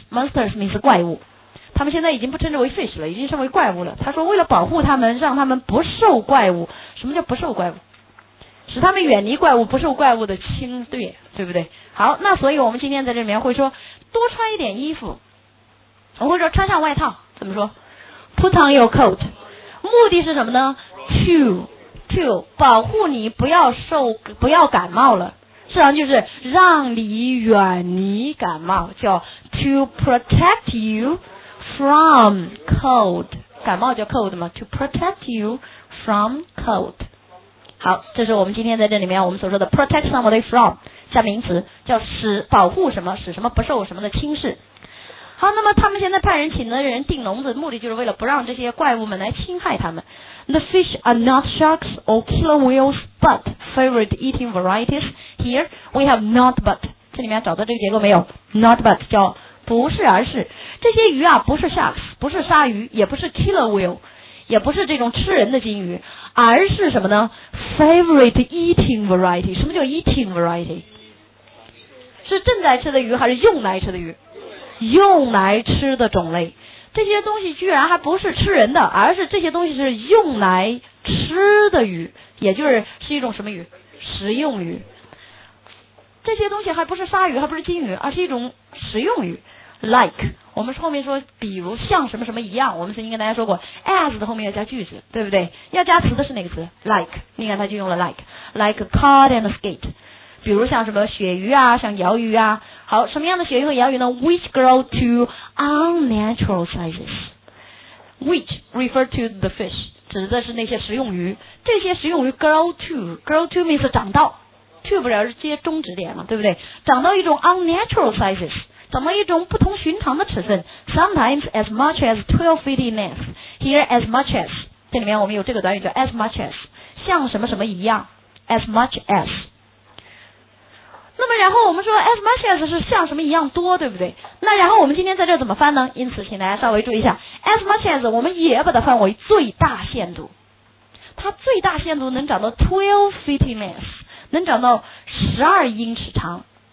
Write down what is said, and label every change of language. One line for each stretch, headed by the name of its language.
English: monsters means
Chinese: 怪物，他们现在已经不称之为 fish 了，已经称为怪物了。他说为了保护他们，让他们不受怪物。什么叫不受怪物？使他们远离怪物，不受怪物的侵略，对不对？好，那所以我们今天在这里面会说多穿一点衣服，我会说穿上外套，怎么说？
English: put on your coat，
Chinese: 目的是什么呢？ to 保护你不要感冒了，实际上就是让你远离感冒，叫
English: to protect you from cold，
Chinese: 感冒叫 cold 吗？
English: to protect you from cold。
Chinese: 好，这是我们今天在这里面我们所说的
English: protect somebody from，
Chinese: 像名词叫使保护什么，使什么不受什么的侵蚀。好，那么他们现在派人请的人定笼子，目的就是为了不让这些怪物们来侵害他们。
English: The fish are not sharks or killer whales but favorite eating varieties. Here we have not but，
Chinese: 这里面找到这个结构没有？not but 叫不是而是。这些鱼啊，不是 sharks， 不是鲨鱼，也不是 killer whale， 也不是这种吃人的金鱼，而是什么呢？
English: favorite eating variety。
Chinese: 什么叫 eating variety？是正在吃的鱼还是用来吃的鱼？用来吃的种类。这些东西居然还不是吃人的，而是这些东西是用来吃的鱼，也就是是一种什么鱼？食用鱼。这些东西还不是鲨鱼，还不是金鱼，而是一种食用鱼。 like 我们后面说比如像什么什么一样，我们曾经跟大家说过 as 的后面要加句子，对不对？要加词的是哪个词？
English: like，
Chinese: 你看他就用了
English: like caught and skate。
Chinese: 比如像什么鳕鱼啊，像鳐鱼啊。好，什么样的鳕鱼和鳐鱼呢？
English: which grow to unnatural sizes， which refer to the fish，
Chinese: 指的是那些食用鱼。这些食用鱼 grow to means 长到， to 不了是接终止点嘛，对不对？长到一种
English: unnatural sizes，
Chinese: 长到一种不同寻常的尺寸。
English: sometimes as much as 12 feet in length。 here as much as，
Chinese: 这里面我们有这个短语叫
English: as much as，
Chinese: 像什么什么一样，
English: as much as。
Chinese: 那么然后我们说 as much as 是像什么一样多，对不对？那然后我们今天在这怎么翻呢？因此请大家稍微注意一下， as much as 我们也把它翻为最大限度，它最大限度能长到
English: 12 feet in length，
Chinese: 能长到12英尺长。